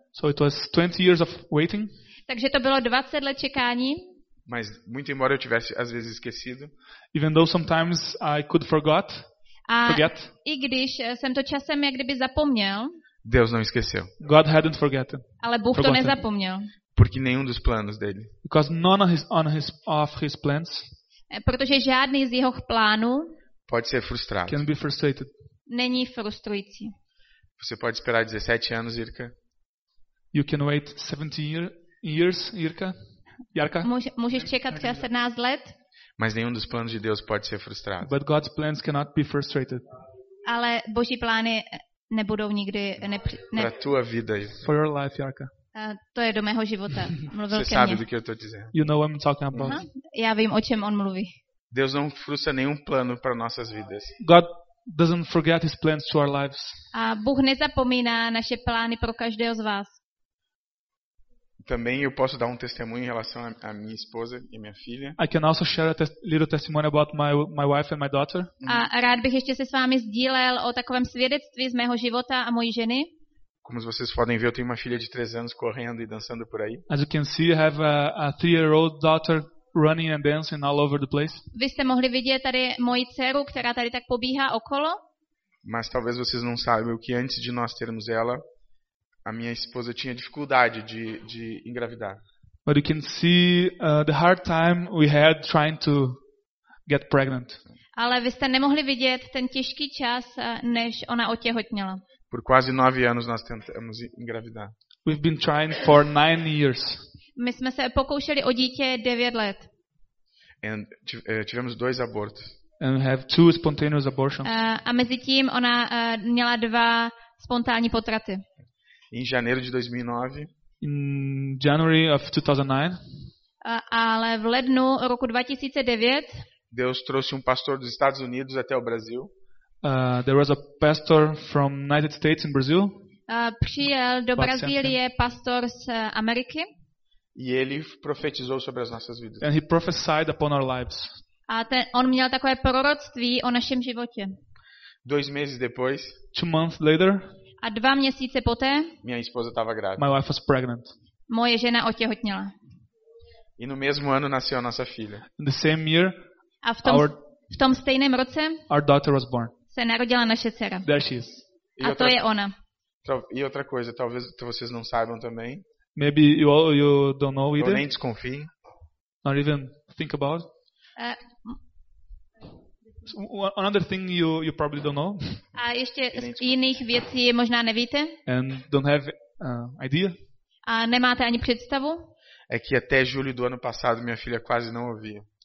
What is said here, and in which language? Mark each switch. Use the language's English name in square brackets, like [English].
[English] So it was 20 years of waiting. [Czech] Takže to bylo 20 let čekání. [Portuguese] Mas muito embora eu tivesse às vezes esquecido. [English] Even though sometimes I could forget. [Czech] A i když jsem to časem jak kdyby zapomněl. [Portuguese] Deus não esqueceu. [English] God hadn't forgotten. [Czech] Ale Bůh to nezapomněl. [Portuguese] Porque nenhum dos planos dele. [English] Because none of his plans. [Czech] Protože žádný z jeho plánů. [Portuguese] Pode ser frustrado. [English] Can be frustrated. [Czech] Není frustrující. [Portuguese] Você pode esperar 17 anos, Irka. [English] You can wait 17 years, Irka. Jarka. [Czech] Můžeš čekat třeba 17 let. [Portuguese] Mas nenhum dos planos de Deus pode ser frustrado. [English] But God's plans cannot be frustrated. [Czech] Ale Boží plány nebudou nikdy [Portuguese] Pra tua vida. [English] For your life, Jarka. [Czech] To je do mého života. Mluvil ke mně. [Portuguese] Você sabe do que eu tô dizendo. [English] You know what I'm talking about. [Czech] Já vím, o čem on mluví. [Portuguese] Deus não frustra nenhum plano para nossas vidas. [English] God doesn't forget his plans to our lives. [Czech] A Bůh nezapomíná naše plány pro každého z vás. [Portuguese] Também eu posso dar testemunho em relação à minha esposa e minha filha. [English] I can also share a little testimony about my wife and my daughter. [Czech] A rád bych ještě se s vámi sdílel o takovém svědectví z mého života a mojí ženy. [Portuguese] Como vocês podem ver, eu tenho uma filha de 3 anos correndo e dançando por aí. [English] As you can see, I have a 3-year-old daughter running and dancing all over the place. [Czech] Vy jste mohli vidět tady moji dceru, která tady tak pobíhá okolo. [Portuguese] Mas talvez vocês não saibam que antes de nós termos ela, a minha esposa tinha dificuldade de engravidar. [English] But you can see the hard time we had trying to get pregnant. [Czech] Ale vy jste nemohli vidět ten těžký čas, než ona otěhotněla. [Portuguese] Por quase 9 anos nós tentamos engravidar. [English] We've been trying for 9 years. [Czech] My jsme se pokoušeli o dítě 9 let. [Portuguese] And tivemos 2 abortos. [English] And we have 2 spontaneous abortions. [Czech] A mezi tím ona měla 2 spontánní potraty. [Portuguese] Em janeiro de 2009. [English] In January of 2009. [Czech] ale v lednu roku 2009 [Portuguese] Deus trouxe pastor dos Estados Unidos até o Brasil. [English] There was a pastor from United States in Brazil. [Czech] Přijel do Brazílie pastor z Ameriky. [Portuguese] E ele profetizou sobre as nossas vidas. [English] And he prophesied upon our lives. [Czech] A ten, on měl takové proroctví o našem životě. [Portuguese] 2 meses depois. [English] 2 months later. [Czech] A 2 měsíce poté. [Portuguese] Minha esposa estava grávida. [English] My wife was pregnant. [Czech] Moje žena otěhotněla. [Portuguese] E no mesmo ano nasceu a nossa filha. [English] In the same year. [Czech] A v tom, v tom stejném roce. [English] Our daughter was born. [Czech] Se narodila naše dcera. [English] There she is. [Czech] A to je ona. [Portuguese] E outra coisa, talvez vocês não saibam também. [English] Maybe you don't know either. [Portuguese] Ou nem desconfie. [English] Not even think about. Another thing you probably don't know. [Czech] A ještě z jiných věcí možná nevíte. [English] And don't have idea. [Czech] A nemáte ani představu. [Portuguese] É que até julho do ano passado minha filha quase não ouvia.